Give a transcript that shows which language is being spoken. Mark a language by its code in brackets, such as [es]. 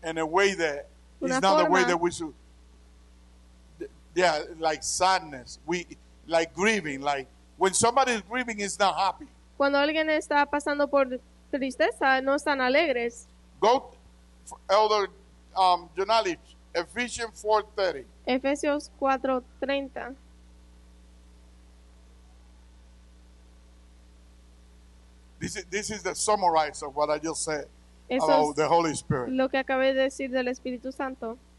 [en] In a way that is not the way that we should. Yeah, like sadness. We like grieving. Like when somebody is grieving, it's not happy. [es] Cuando alguien está pasando por tristeza, no están alegres. [en] Go, Elder Jonali, Ephesians 4:30. [es] Efesios 4:30. [en] This is the summarize of what I just said about the Holy Spirit. [es] Lo que acabé de decir del Espíritu Santo.